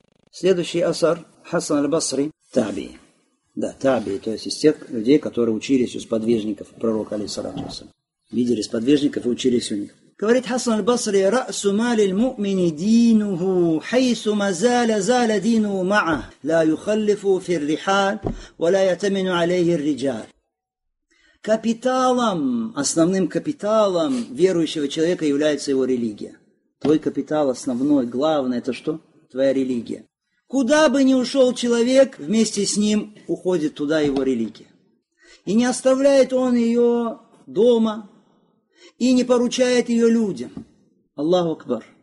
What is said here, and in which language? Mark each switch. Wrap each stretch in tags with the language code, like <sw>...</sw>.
<ru>Следующий асар Хасан аль-Басри, Таби. Да, Таби, то есть из тех людей, которые учились у сподвижников пророка, алейхиссалату вассалям. Видели сподвижников и учились у них.</ru> <ar>Говорит Хасан аль-Басри, رأس مال المؤمن دينه حيث ما زال زال دينه معه لا يخلف في الرحال ولا يتمن عليه الرجال.</ar> <ru>Капиталом, основным капиталом верующего человека является его религия. Твой капитал основной, главный, это что? Твоя религия. Куда бы ни ушел человек, вместе с ним уходит туда его религия. И не оставляет он ее дома. И не поручает ее людям. Аллаху Акбар.</ru>